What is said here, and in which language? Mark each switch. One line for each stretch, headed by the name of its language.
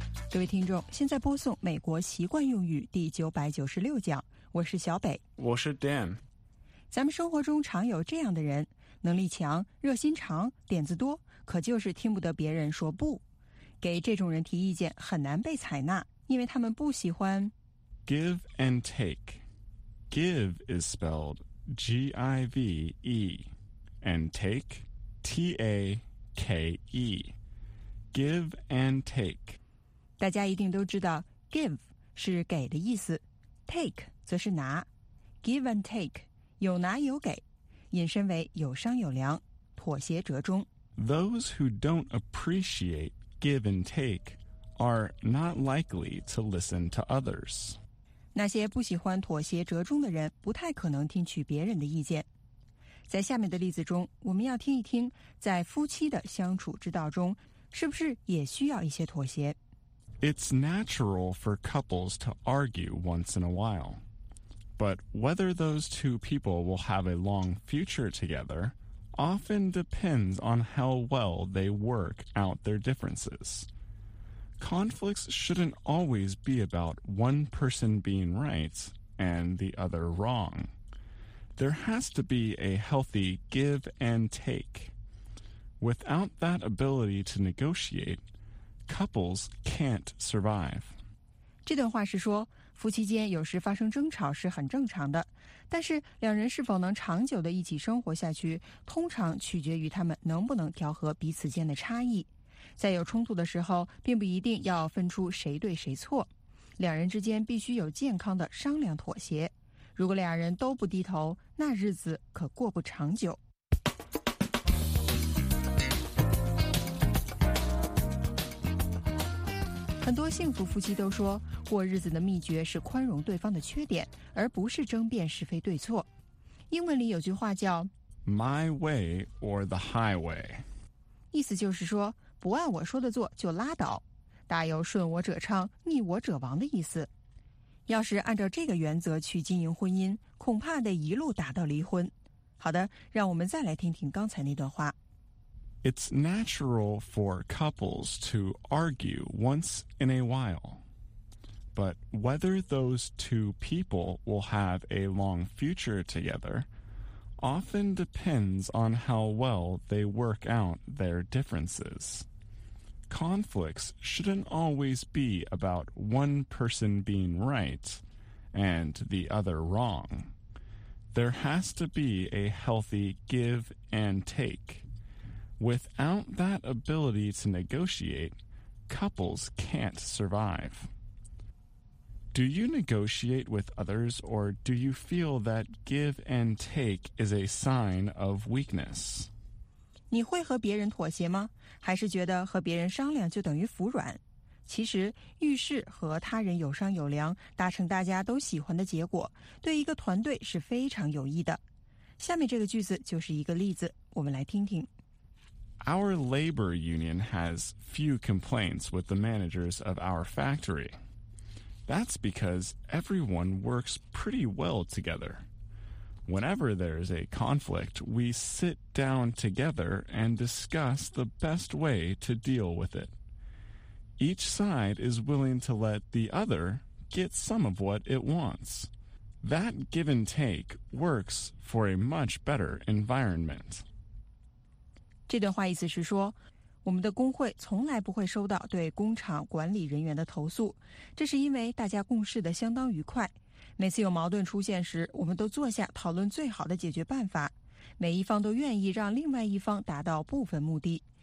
Chinese: 各位听众现在播送美国习惯用语第996讲我是小北我是 Dan 咱们生活中常有这样的人能力强热心肠点子多可就是听不得别人说不给这种人提意见很难被采纳因为他们不喜欢
English: Give and take Give is spelled G-I-V-EAnd take, T-A-K-E. Give and take.
Chinese: 大家一定都知道 give 是给的意思 take 则是拿 Give and take, 有拿有给引申为有商有量妥协折中
English: Those who don't appreciate give and take are not likely to listen to others.
Chinese: 那些不喜欢妥协折中的人不太可能听取别人的意见在下面的例子中我们要听一听在夫妻的相处之道中是不是也需要一些妥协
English: It's natural for couples to argue once in a while. But whether those two people will have a long future together often depends on how well they work out their differences. Conflicts shouldn't always be about one person being right and the other wrong. There has to be a healthy give and take. Without that ability to negotiate, couples can't survive.
Chinese: 这段话是说，夫妻间有时发生争吵是很正常的，但是两人是否能长久地一起生活下去，通常取决于他们能不能调和彼此间的差异。在有冲突的时候，并不一定要分出谁对谁错，两人之间必须有健康的商量妥协。如果两人都不低头，那日子可过不长久。很多幸福夫妻都说，过日子的秘诀是宽容对方的缺点，而不是争辩是非对错。英文里有句话叫
English: My way or the highway，
Chinese: 意思就是说不按我说的做就拉倒，大有顺我者昌逆我者亡的意思。要是按照这个原则去经营婚姻，恐怕得一路打到离婚。好的，让我们再来听听刚才那段话。
English: It's natural for couples to argue once in a while. But whether those two people will have a long future together often depends on how well they work out their differences. Conflicts shouldn't always be about one person being right and the other wrong. There has to be a healthy give and take. Without that ability to negotiate, couples can't survive. Do you negotiate with others, or do you feel that give and take is a sign of weakness?
Chinese: 你会和别人妥协吗？还是觉得和别人商量就等于服软？其实，遇事和他人有商有量，达成大家都喜欢的结果，对一个团队是非常有益的。下面这个句子就是一个例子，我们来听听。
English: Our labor union has few complaints with the managers of our factory. That's because everyone works pretty well together. Whenever there's a conflict, we sit down together and discuss the best way to deal with it. Each side is willing to let the other get some of what it wants. That give and take works for a much better environment.
Chinese: 这段话意思是说，我们的工会从来不会收到对工厂管理人员的投诉，这是因为大家共事的相当愉快。每次有矛盾出现时，我们都坐下讨论最好的解决办法，每一方都愿意让另外一方达到部分目的。